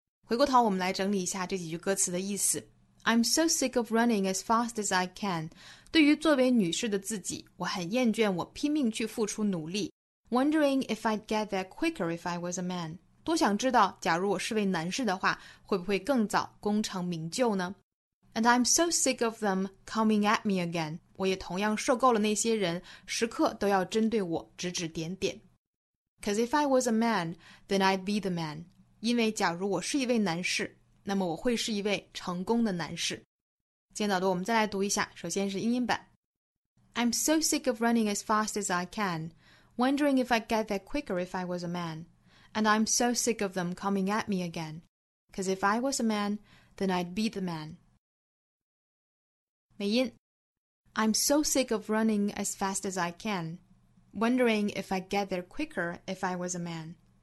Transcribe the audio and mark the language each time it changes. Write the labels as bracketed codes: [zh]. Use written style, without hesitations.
[zh] 回过头我们来整理一下这几句歌词的意思 [en] I'm so sick of running as fast as I can [zh] 对于作为女士的自己我很厌倦我拼命去付出努力 [en] Wondering if I'd get there quicker if I was a man [zh] 多想知道假如我是位男士的话会不会更早功成名就呢 [en] And I'm so sick of them coming at me again. [zh] 我也同样受够了那些人时刻都要针对我指指点点。 [en] Because if I was a man, then I'd be the man. [zh] 因为假如我是一位男士那么我会是一位成功的男士。今天早读我们再来读一下首先是英音版。 [en] I'm so sick of running as fast as I can, wondering if I'd get there quicker if I was a man. and I'm so sick of them coming at me again. Because if I was a man, then I'd be the man. [zh] 美音 [en] I'm so sick of running as fast as I can, wondering if I'd get there quicker if I was a man.